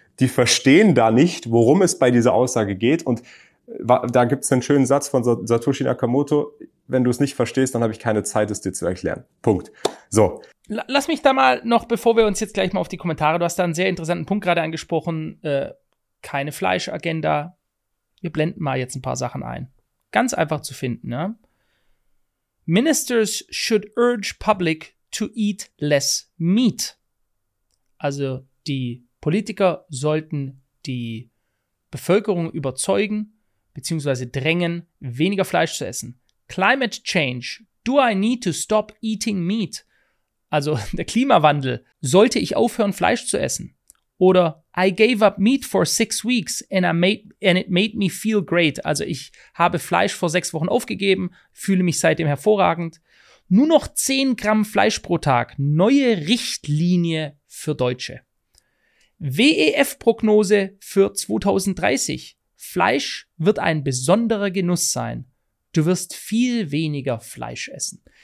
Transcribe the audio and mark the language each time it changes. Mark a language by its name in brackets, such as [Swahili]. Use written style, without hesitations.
[German] Die verstehen da nicht, worum es bei dieser Aussage geht. Und da gibt's einen schönen Satz von Satoshi Nakamoto: Wenn du es nicht verstehst, dann habe ich keine Zeit, es dir zu erklären. Punkt. So. Lass mich da mal noch, bevor wir uns jetzt gleich mal auf die Kommentare, du hast da einen sehr interessanten Punkt gerade angesprochen, keine Fleischagenda. Wir blenden mal jetzt ein paar Sachen ein. Ganz einfach zu finden, ne? [English] Ministers should urge public to eat less meat. [German] Also die Politiker sollten die Bevölkerung überzeugen bzw. drängen, weniger Fleisch zu essen. [English] Climate change. Do I need to stop eating meat? [German] Also der Klimawandel. Sollte ich aufhören, Fleisch zu essen? [English] Oder I gave up meat for 6 weeks and it made me feel great. [German] Also ich habe Fleisch vor 6 Wochen aufgegeben, fühle mich seitdem hervorragend. Nur noch 10 Gramm Fleisch pro Tag. Neue Richtlinie für Deutsche. WEF-Prognose für 2030. Fleisch wird ein besonderer Genuss sein. Du wirst viel weniger Fleisch essen.